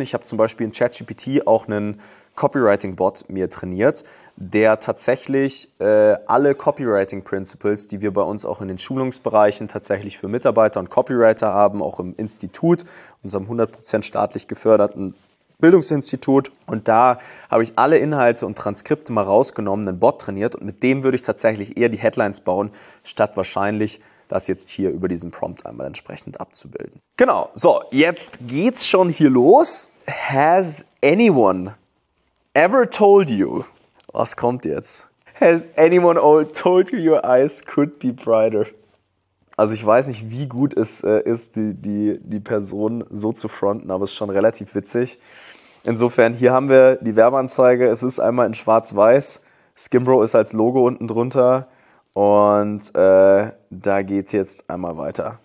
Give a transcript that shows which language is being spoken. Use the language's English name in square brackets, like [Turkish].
[German] Ich habe zum Beispiel in ChatGPT auch einen Copywriting-Bot mir trainiert, der tatsächlich alle Copywriting-Principles, die wir bei uns auch in den Schulungsbereichen tatsächlich für Mitarbeiter und Copywriter haben, auch im Institut, unserem 100% staatlich geförderten Bildungsinstitut, und da habe ich alle Inhalte und Transkripte mal rausgenommen, einen Bot trainiert, und mit dem würde ich tatsächlich eher die Headlines bauen, statt wahrscheinlich das jetzt hier über diesen Prompt einmal entsprechend abzubilden. Genau, so, jetzt geht's schon hier los. [English] Has anyone ever told you? [German] Was kommt jetzt? [English] Has anyone old told you your eyes could be brighter? [German] Also ich weiß nicht, wie gut es ist, die Person so zu fronten, aber es ist schon relativ witzig. Insofern, hier haben wir die Werbeanzeige. Es ist einmal in Schwarz-Weiß. Skimbro ist als Logo unten drunter. Und da geht's jetzt einmal weiter.